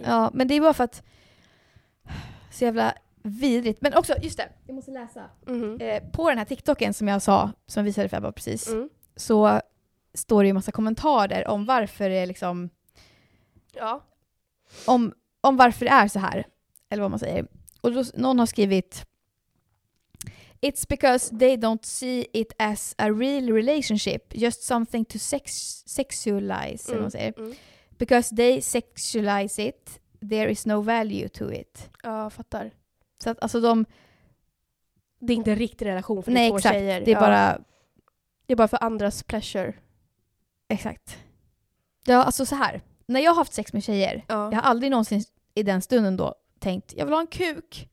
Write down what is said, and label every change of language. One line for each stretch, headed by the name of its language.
Swedish: Okay. Ja, men det är bara för att så jävla vidrigt. Men också, just det, jag måste läsa. Mm-hmm. På den här TikToken som jag sa, som jag visade för jag bara precis, mm. så står det ju en massa kommentarer om varför det är liksom... Ja. Om varför det är så här, eller vad man säger. Och då, någon har skrivit
English: "It's because they don't see it as a real relationship, just something to sexualize."
Swedish: Mm. Man säger. Mm.
English: "Because they sexualize it, there is no value to it."
Swedish: Ja, fattar. Så att, alltså de... Det är inte en riktig relation för nej, två exakt. Tjejer. Det är ja. Bara... Det är bara för andras pleasure. Exakt. Ja, alltså så här. När jag har haft sex med tjejer, ja. Jag har aldrig någonsin i den stunden då tänkt, jag vill ha en kuk.